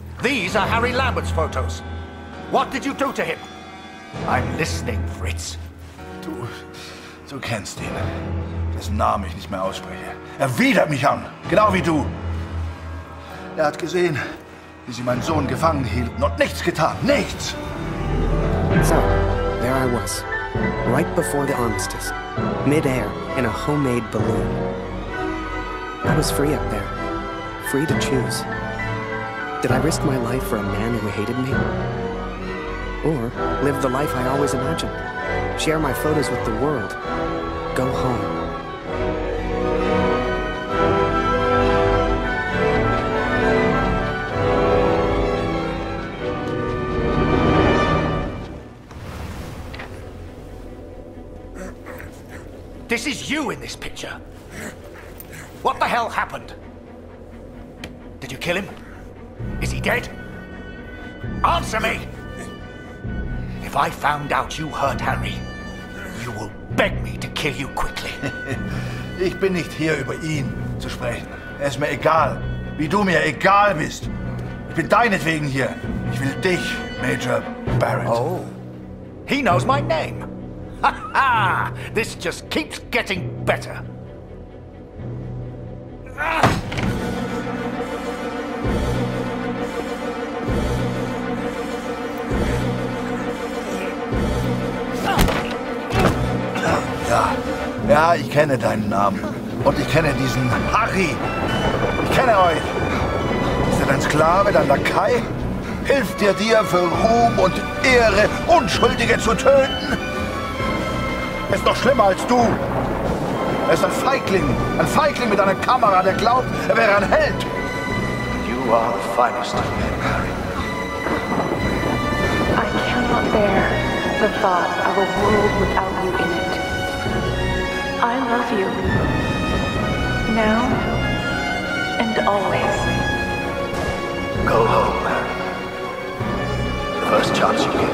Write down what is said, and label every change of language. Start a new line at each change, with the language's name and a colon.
English: These are Harry Lambert's photos. What did you do to him? I'm listening, Fritz.
German: Du kennst ihn. Dessen Namen ich nicht mehr ausspreche. Widert mich an, genau wie du. Hat gesehen, wie sie meinen Sohn gefangen hielten und nichts getan, nichts!
English: So, there I was, right before the armistice. Mid-air, in a homemade balloon. I was free up there. Free to choose. Did I risk my life for a man who hated me? Or live the life I always imagined? Share my photos with the world? Go home. This is you in this picture. What the hell happened? Did you kill him? Is he dead? Answer me! If I found out you hurt Harry, you will beg me to kill you quickly.
German: Ich bin nicht hier, über ihn zu sprechen. Es ist mir egal, wie du mir egal bist. Ich bin deinetwegen hier. Ich will dich, Major Barrett.
English: Oh. He knows my name. Ha ha! This just keeps getting better.
German: Ja, ja, ich kenne deinen Namen. Und ich kenne diesen Harry. Ich kenne euch. Ist er dein Sklave, dein Lakai? Hilft er dir für Ruhm und Ehre, Unschuldige zu töten? Er ist noch schlimmer als du. Er ist ein Feigling. Ein Feigling mit einer Kamera, der glaubt, er wäre ein Held.
English: You are the finest of men, Harry. I cannot bear the thought of a world without you in it. I love you. Now and always. Go home, Harry. First chance you get.